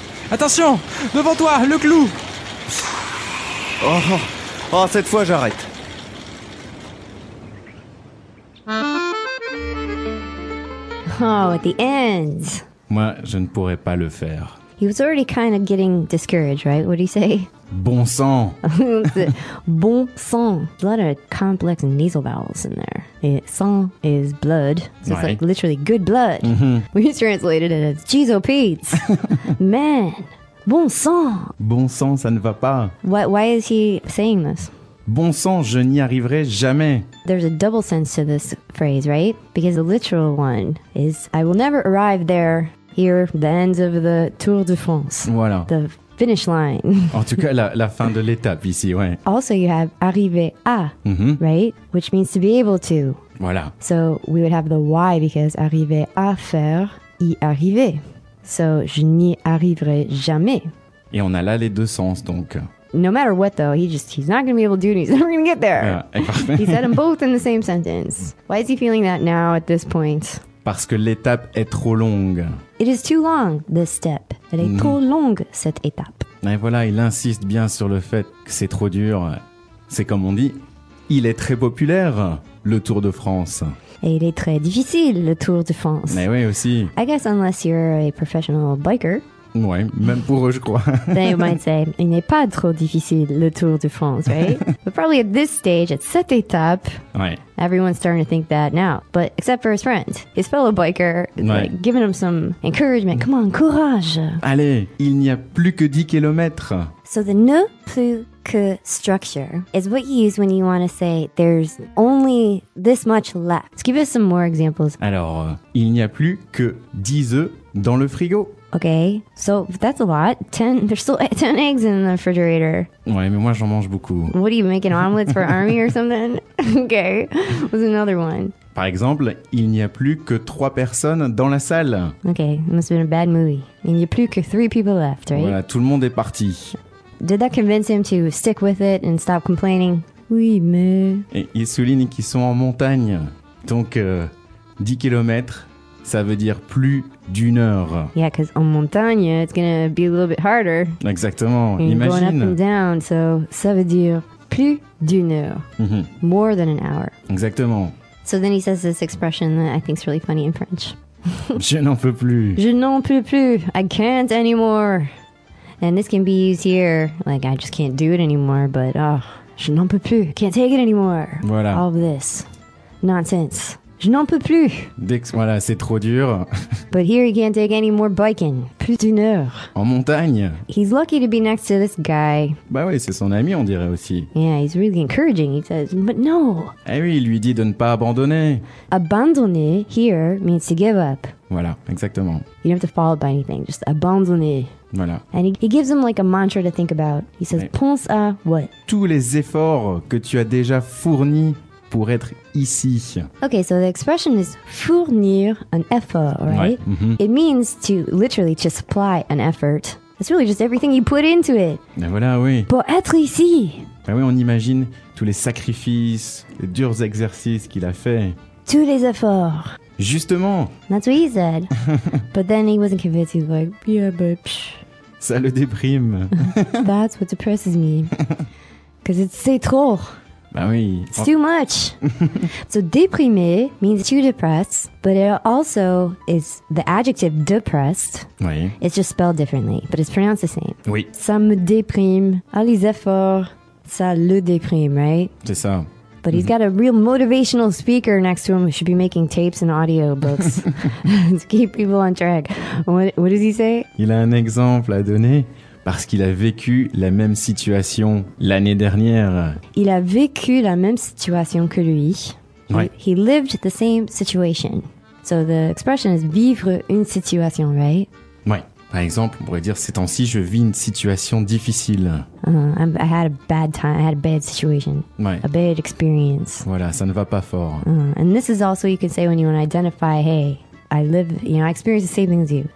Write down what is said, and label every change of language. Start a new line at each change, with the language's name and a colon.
French: Attention, devant toi, le clou. Oh. Oh, cette fois, j'arrête.
English: Oh, at the end.
French: Moi, je ne pourrais pas le faire.
English: He was already kind of getting discouraged, right? What did he say?
French: Bon sang. Bon sang.
English: A lot of complex nasal vowels in there. Et sang is blood. So
French: ouais.
English: It's like literally good blood. Mm-hmm. We translated it as cheese o' Pete's.
French: Man. Bon sang. Bon sang, ça ne va pas.
English: Why is he saying this?
French: Bon sang, je n'y arriverai jamais.
English: There's a double sense to this phrase, right? Because the literal one is I will never arrive there, here, the end of the Tour de France.
French: Voilà.
English: The finish line.
French: En tout cas, la fin de l'étape ici, ouais.
English: Also, you have arriver à, mm-hmm. right? Which means to be able to.
French: Voilà.
English: So we would have the why because
French: arriver à faire, y arriver. So, je n'y arriverai jamais. Et on a là les deux sens, donc.
English: No matter what, though, he's not going to be able to do it. He's never going to get there.
French: Ouais,
English: he said them both in the same sentence. Why is he feeling that now at this point?
French: Parce que l'étape est trop longue.
English: It is too long, this step.
French: Elle est trop longue, cette étape. Et voilà, il insiste bien sur le fait que c'est trop dur. C'est comme on dit, il est très populaire, le Tour de France. Et il est très difficile, le Tour de France. Mais oui, aussi.
English: I guess unless you're a professional biker.
French: Ouais, même pour eux, je crois.
English: Then you might say,
French: il n'est pas trop difficile, le Tour de France,
English: right? But probably at this stage, at
French: cette étape, ouais.
English: Everyone's starting to think that now. But except for his friend, his fellow biker,
French: ouais.
English: Like giving him some encouragement. Come on, courage!
French: Allez, il n'y a plus que 10 kilomètres.
English: So the ne plus que structure is what you use when you want to say there's only this much left. Let's give us some more examples.
French: Alors, il n'y a plus que 10 œufs dans le frigo.
English: Okay, so that's a lot. 10, there's still 10 eggs in the refrigerator.
French: Ouais, mais moi j'en mange beaucoup.
English: What are you making, omelets for army or something? Okay, what's another one?
French: Par exemple, il n'y a plus que 3 personnes dans la salle.
English: Okay, it must have been a bad movie.
French: Il n'y a plus que 3
English: people left, right?
French: Voilà, tout le monde est parti.
English: Did that convince him to stick with it and stop complaining?
French: Oui, mais... Et il souligne qu'ils sont en montagne. Donc, 10 kilomètres, ça veut dire plus d'une heure.
English: Yeah, because
French: en montagne,
English: it's gonna be a little bit harder.
French: Exactement,
English: and imagine. Going up and down, so
French: ça veut dire plus d'une heure. Mm-hmm.
English: More than an hour.
French: Exactement.
English: So then he says this expression that I think is really funny in French.
French: Je n'en peux plus. Je n'en peux plus.
English: I can't anymore. And this can be used here, like, I just can't do it anymore, but, oh,
French: je n'en peux plus,
English: can't take it anymore.
French: Voilà.
English: All of this. Nonsense.
French: Je n'en peux plus. Dès que, voilà, c'est trop dur.
English: But here he can't take any more biking.
French: Plus d'une heure. En montagne.
English: He's lucky to be next to this guy.
French: Bah oui, c'est son ami, on dirait aussi.
English: Yeah, he's really encouraging, he says, but no.
French: Eh oui, il lui dit de ne pas abandonner.
English: Abandonner, here, means to give up.
French: Voilà, exactement.
English: You don't have to follow by anything, just abandonner.
French: Voilà.
English: And he gives him like a mantra to think about. He says, pense à what?
French: Tous les efforts que tu as déjà fournis pour être ici.
English: Okay, so the expression is
French: fournir un effort,
English: right?
French: Ouais. Mm-hmm.
English: It means to literally just supply an effort. It's really just everything you put into it.
French: Ben voilà, oui. Pour être ici. Ben oui, on imagine tous les sacrifices, les durs exercices qu'il a fait. Tous les efforts. Justement.
English: That's what he said. But then he wasn't convinced. He's like, yeah, but psh.
French: Ça le déprime.
English: That's what depresses me.
French: Because c'est trop. Ben oui.
English: It's too much. So déprimé means too depressed, but it also is the adjective depressed.
French: Oui.
English: It's just spelled differently, but it's pronounced the same.
French: Oui. Ça me déprime. All les efforts, ça le déprime, right? C'est ça.
English: But he's got a real motivational speaker next to him who should be making tapes and audiobooks to keep people on track. What does he say?
French: Il a un exemple à donner parce qu'il a vécu la même situation l'année dernière. Il a vécu la même situation que lui. Ouais.
English: He lived the same situation. So the expression is
French: vivre une situation,
English: right?
French: Ouais. Par exemple, on pourrait dire, ces temps-ci, je vis une situation difficile.
English: I had a bad time, I had a bad situation.
French: Ouais.
English: A bad experience.
French: Voilà, ça ne va pas fort.
English: And this is also, you can say when you want to identify, hey, I live, you know, I experience the same thing as you.